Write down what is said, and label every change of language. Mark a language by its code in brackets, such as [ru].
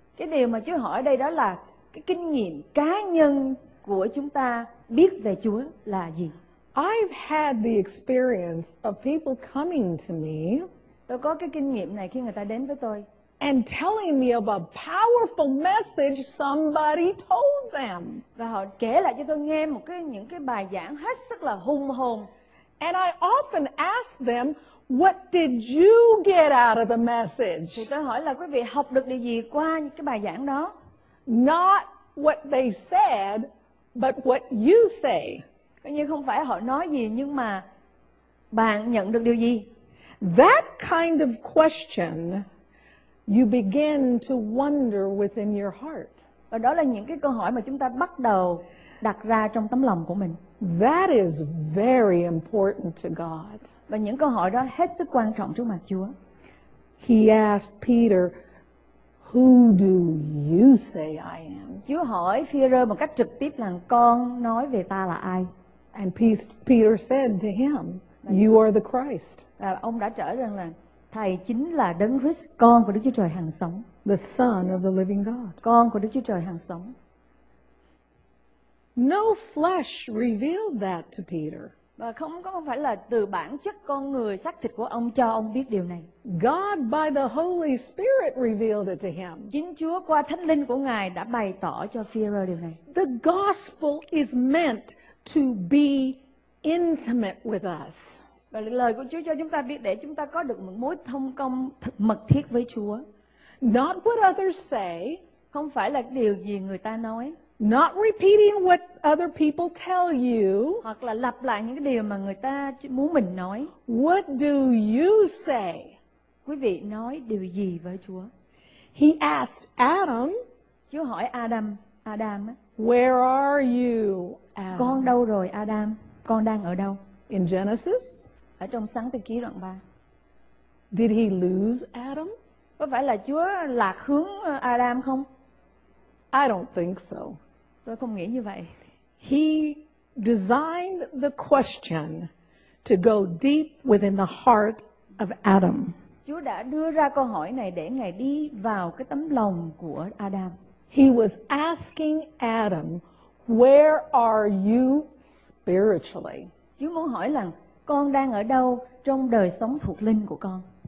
[vi] Cái điều mà Chúa hỏi đây đó là cái kinh nghiệm cá nhân của chúng ta biết về Chúa là gì? [en] I've had the experience of people coming to me. [vi] Tôi có cái kinh nghiệm này khi người ta đến với tôi. [en] And telling me of a powerful message somebody told them. [vi] Và họ kể lại cho tôi nghe một cái những cái bài giảng hết sức là hùng hồn. [en] And I often ask them, what did you get out of the message? [vi] Thì tôi hỏi là quý vị học được điều gì qua cái bài giảng đó? [en] Not what they said, but what you say. [vi] Coi như không phải họ nói gì nhưng mà bạn nhận được điều gì? [en] That kind of question you begin to wonder within your heart. [vi] Và đó là những cái câu hỏi mà chúng ta bắt đầu đặt ra trong tấm lòng của mình. [en] That is very important to God. [vi] Và những câu hỏi đó hết sức quan trọng trước mặt Chúa. [en] He asked Peter, who do you say I am? [vi] Chúa hỏi Peter một cách trực tiếp là con nói về ta là ai? [en] And Peter said to him, you are the Christ. [vi] Và ông đã trả lời là Thầy chính là Đấng Christ, con của Đức Chúa Trời hằng sống. [en] The Son of the living God. [vi] Con của Đức Chúa Trời hằng sống. [en] No flesh revealed that to Peter. [vi] Và không phải là từ bản chất con người xác thịt của ông cho ông biết điều này. [en] God by the Holy Spirit revealed it to him. [vi] Chính Chúa qua Thánh Linh của Ngài đã bày tỏ cho Peter điều này. [en] The gospel is meant to be intimate with us. [vi] Và lời của Chúa cho chúng ta biết để chúng ta có được một mối thông công mật thiết với Chúa. [en] Not what others say. [vi] Không phải là điều gì người ta nói. [en] Not repeating what other people tell you. [vi] Hoặc là lặp lại những cái điều mà người ta muốn mình nói. [en] What do you say? [vi] Quý vị nói điều gì với Chúa? [en] He asked Adam. [vi] Chúa hỏi Adam. Adam. [en] Where are you, Adam? [vi] Con đâu rồi, Adam? Con đang ở đâu? [en] In Genesis. [vi] Ở trong Sáng Thế Ký đoạn 3. [en] Did he lose Adam? [vi] Có phải là Chúa lạc hướng Adam không? [en] I don't think so. [vi] Tôi không nghĩ như vậy. [en] He designed the question to go deep within the heart of Adam. [vi] Chúa đã đưa ra câu hỏi này để Ngài đi vào cái tấm lòng của Adam. [en] He was asking Adam, where are you spiritually? [vi] Chúa muốn hỏi rằng, con đang ở đâu trong đời sống thuộc linh của con.